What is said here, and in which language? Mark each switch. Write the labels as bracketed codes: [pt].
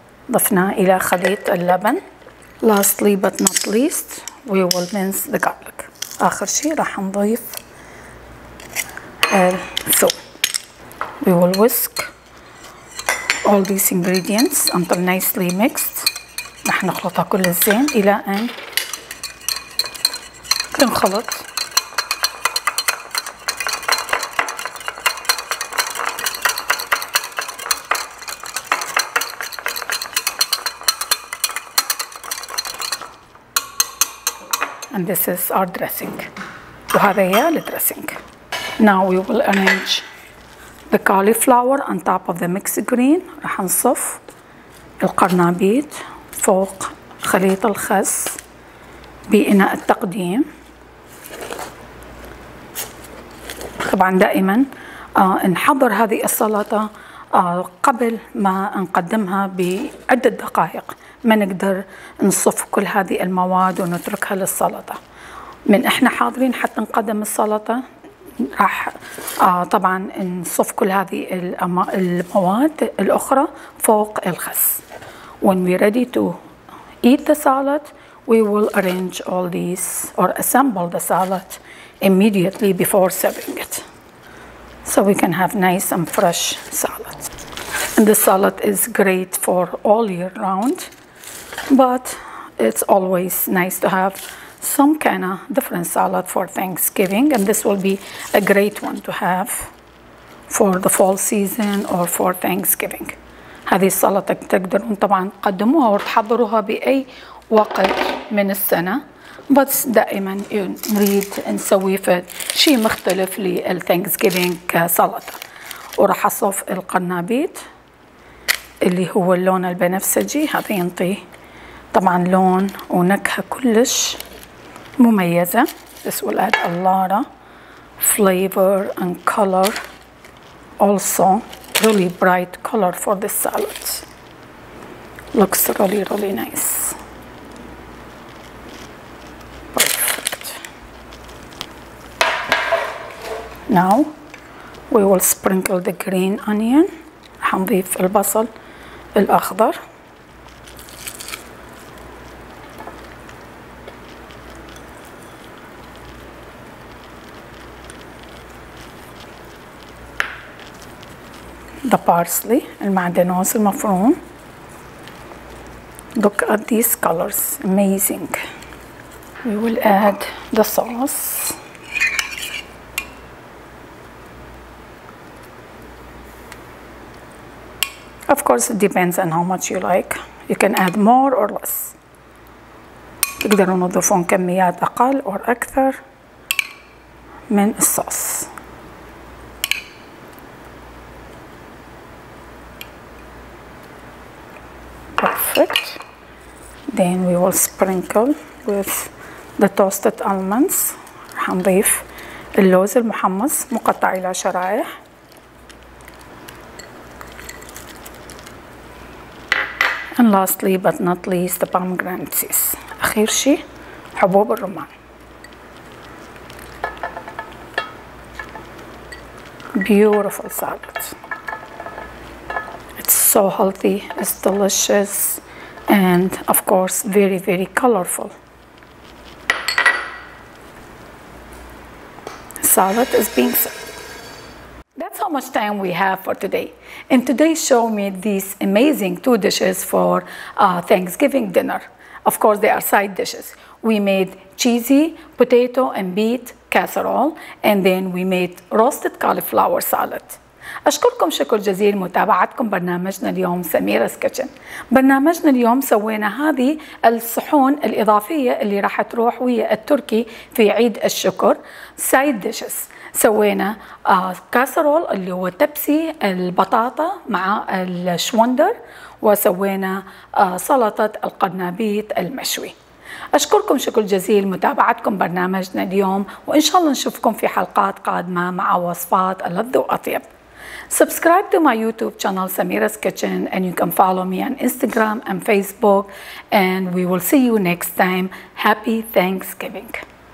[ar] ضفنا إلى خليط اللبن. [en] Lastly but not least, we will mince the garlic. [ar] آخر شيء راح نضيف الثوم. [en] We will whisk all these ingredients until nicely mixed. [ar] راح نخلطها كل الزين إلى أن تنخلط. [en] And this is our dressing. [ar] وهذا هي الدريسنج. [en] Now we will arrange the cauliflower on top of the mixed green. [ar] راح نصف القرنبيط فوق خليط الخس بإناء التقديم. طبعا دائما نحضر هذه السلطة قبل ما نقدمها بعدة دقائق. ما نقدر نصف كل هذه المواد ونتركها للسلطة. من احنا حاضرين حتى نقدم السلطة راح طبعا نصف كل هذه المواد الأخرى فوق الخس. [en] When we ready to eat the salad, we will arrange all these or assemble the salad immediately before serving it. So we can have nice and fresh salad. And the salad is great for all year round. But it's always nice to have some kind of different salad for Thanksgiving. And this will be a great one to have for the fall season or for Thanksgiving. [ar] هذه السلطة تقدرون طبعا تقدموها وتحضروها بأي وقت من السنة. بس دائما نريد نسوي شيء مختلف للثانكسجيفينج كسلطة. وراح أصف القرنبيط اللي هو اللون البنفسجي، هذا ينطي طبعا لون ونكهة كلش مميزة. [en] This will add a lot of flavor and color, also really bright color for this salad. Looks really really nice. Now we will sprinkle the green onion. [ar] حنضيف البصل الأخضر. [en] The parsley, [ar] المعدنوس المفروم. [en] Look at these colors, amazing. We will add the sauce. Of course, it depends on how much you like. You can add more or less. [ar] تقدرون تضيفون كميات أقل أو أكثر من الصوص. [en] Perfect. Then we will sprinkle with the toasted almonds. [ar] حنضيف اللوز المحمص مقطع إلى شرائح. [en] And lastly but not least the pomegranate seeds. [ar] أخير شيء حبوب الرمان. [en] Beautiful salad. It's so healthy, it's delicious and of course very very colorful. Salad is being served. How much time we have for today. And today show me these amazing two dishes for Thanksgiving dinner. Of course they are side dishes. We made cheesy potato and beet casserole and then we made roasted cauliflower salad. [ar] أشكركم شكر جزيل متابعتكم برنامجنا اليوم سميرس كيتشن. برنامجنا اليوم سوينا هذه الصحون الإضافية اللي راح تروح ويا التركي في عيد الشكر. سايد ديشز سوينا كاسرول اللي هو تبسي البطاطا مع الشوندر، وسوينا سلطة القرنبيط المشوي. أشكركم شكر جزيل متابعتكم برنامجنا اليوم، وإن شاء الله نشوفكم في حلقات قادمة مع وصفات ألذ وأطيب. [en] Subscribe to my YouTube channel, Samira's Kitchen, and you can follow me on Instagram and Facebook. And we will see you next time. Happy Thanksgiving.